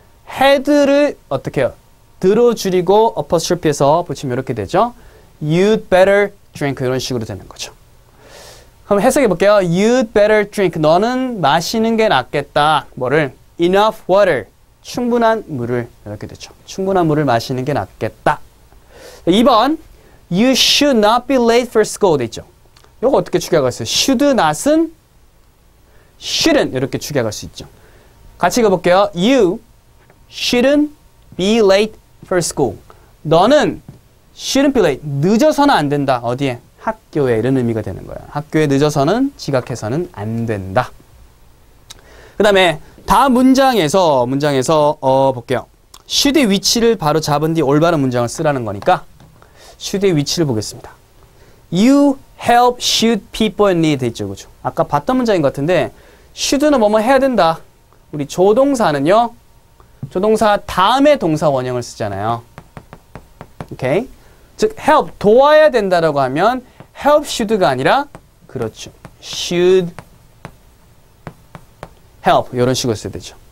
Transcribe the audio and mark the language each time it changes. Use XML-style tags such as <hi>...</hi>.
<ko>had를 어떻게 해요? 드로 줄이고 apostrophe에서 붙이면 이렇게 되죠.</ko> <en>You'd better drink</en> <ko>이런 식으로 되는 거죠. 그럼 해석해 볼게요.</ko> <en>You'd better drink.</en> <ko>너는 마시는 게 낫겠다. 뭐를?</ko> <en>Enough water.</en> <ko>충분한 물을 이렇게 되죠. 충분한 물을 마시는 게 낫겠다.</ko> <en>2번, you should not be late for school 되죠.</en> <ko>이거 어떻게 축약할 수 있어요? should not은 shouldn't 이렇게 축약할 수 있죠. 같이 읽어볼게요.</ko> <en>You shouldn't be late for school.</en> <ko>너는</ko> <en>shouldn't be late.</en> <ko>늦어서는 안 된다. 어디에? 학교에 이런 의미가 되는 거예요. 학교에 늦어서는 지각해서는 안 된다. 그 다음에 다음 문장에서 볼게요. should의 위치를 바로 잡은 뒤 올바른 문장을 쓰라는 거니까 should의 위치를 보겠습니다.</ko> <en>You help should people in need 있죠, 그죠?</en> <ko>아까 봤던 문장인 것 같은데 should는 뭐뭐 해야 된다. 우리 조동사는요, 조동사 다음에 동사 원형을 쓰잖아요. 오케이? 즉 help 도와야 된다라고 하면 help should가 아니라 그렇죠.</ko> <en>should help</en> <ko>이런 식으로 써야 되죠.</ko>